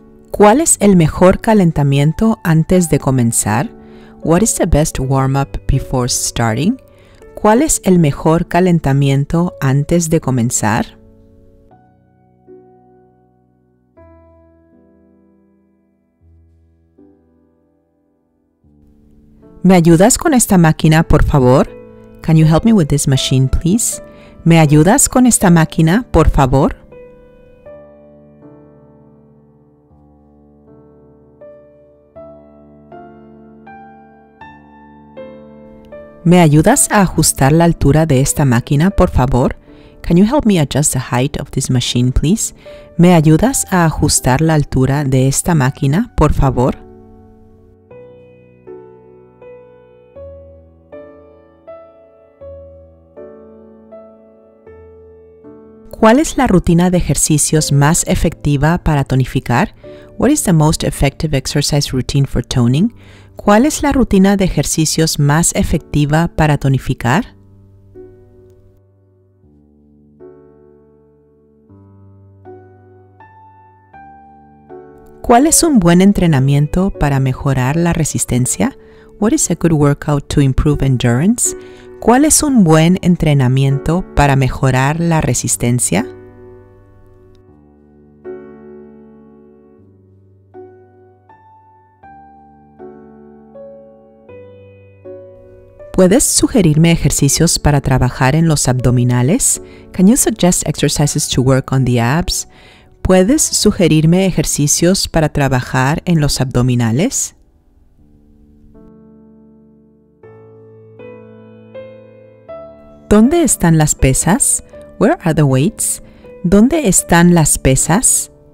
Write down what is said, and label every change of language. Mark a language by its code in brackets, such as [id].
[es] ¿Cuál es el mejor calentamiento antes de comenzar? [en] What is the best warm-up before starting? [es] ¿Cuál es el mejor calentamiento antes de comenzar? ¿Me ayudas con esta máquina, por favor? [en] Can you help me with this machine, please? [es] ¿Me ayudas con esta máquina, por favor? ¿Me ayudas a ajustar la altura de esta máquina, por favor? [en] Can you help me adjust the height of this machine, please? [es] ¿Me ayudas a ajustar la altura de esta máquina, por favor? ¿Cuál es la rutina de ejercicios más efectiva para tonificar? [en] What is the most effective exercise routine for toning? [es] ¿Cuál es la rutina de ejercicios más efectiva para tonificar? ¿Cuál es un buen entrenamiento para mejorar la resistencia? [en] What is a good workout to improve endurance? [es] ¿Cuál es un buen entrenamiento para mejorar la resistencia? ¿Puedes sugerirme ejercicios para trabajar en los abdominales? [en] Can you suggest exercises to work on the abs? [es] ¿Puedes sugerirme ejercicios para trabajar en los abdominales? ¿Dónde están las pesas? [en] Where are the weights? [es] ¿Dónde están las pesas?